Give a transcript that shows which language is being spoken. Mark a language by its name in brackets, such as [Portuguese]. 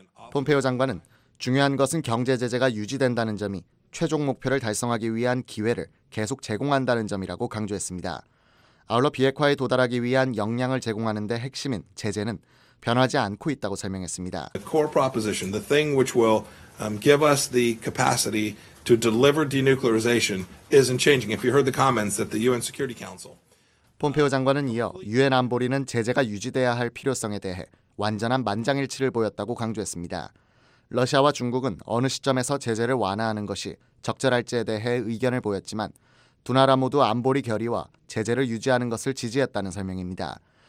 [Korean] 폼페오 장관은 중요한 것은 경제 제재가 유지된다는 점이 최종 목표를 달성하기 위한 기회를 계속 제공한다는 점이라고 강조했습니다. 아울러 비핵화에 도달하기 위한 역량을 제공하는 데 핵심인 제재는 변하지 않고 있다고 설명했습니다. [English] The core proposition, the thing which will give us the capacity to deliver denuclearization isn't changing. If you heard the comments that the UN Security Council [Korean] 폼페오 장관은 이어 유엔 안보리는 제재가 유지돼야 할 필요성에 대해 완전한 만장일치를 보였다고 강조했습니다. 러시아와 중국은 어느 시점에서 제재를 완화하는 것이 적절할지에 대해 의견을 보였지만 두 나라 모두 안보리 결의와 제재를 유지하는 것을 지지했다는 설명입니다.